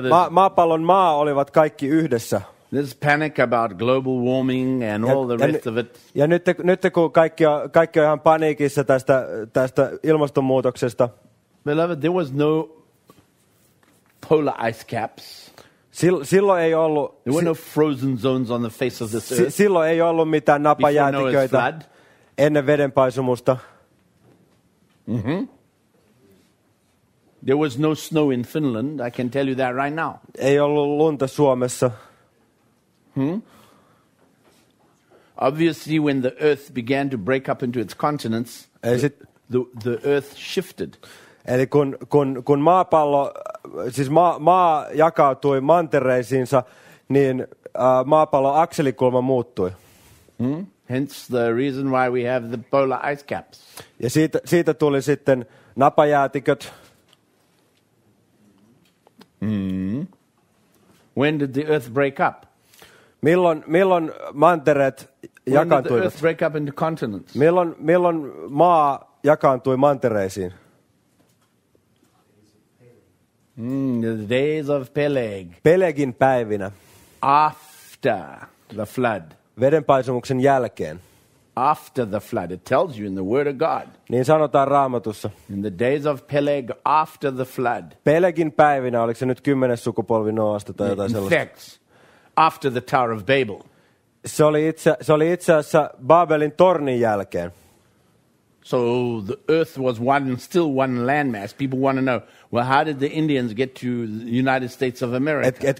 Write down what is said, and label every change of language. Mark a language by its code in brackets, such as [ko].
[fi] Maapallon maa olivat kaikki yhdessä. [en] There's panic about global warming and all the rest of it. [fi] Ja nyt kun kaikki on ihan paniikissa tästä ilmastonmuutoksesta. [en] Beloved, there was no polar ice caps. [fi] Silloin ei ollut. [en] There were no frozen zones on the face of this earth. [fi] Silloin ei ollut mitään napajäätiköitä ennen vedenpaisumusta. Mhm. [en] There was no snow in Finland, I can tell you that right now. [fi] Ei ollut lunta Suomessa. [en] Obviously when the earth began to break up into its continents, the earth shifted. [fi] Eli kun maapallo, siis maa jakautui mantereisiinsa, niin maapallon akselikulma muuttui. [en] Hence the reason why we have the polar ice caps. [fi] Ja siitä tuli sitten napajäätiköt. [en] When did the earth break up? [fi] Milloin mantereet jakaantuivat? [en] When did the earth break up into continents? [fi] Milloin maa jakaantui mantereisiin? [en] The days of Peleg. [fi] Pelegin päivinä. [en] After the flood. [fi] Vedenpaisumuksen jälkeen. [en] After the flood, it tells you in the Word of God. [fi] Niin sanotaan Raamatussa. [en] In the days of Peleg, after the flood. [fi] Pelegin päivinä, oliko se nyt 10. sukupolvi Noasta tai jotain sellaista. [en] In fact, after the Tower of Babel. [fi] Se oli itse asiassa Babelin tornin jälkeen. [en] So the earth was still one landmass. People want to know, well, how did the Indians get to the United States of America?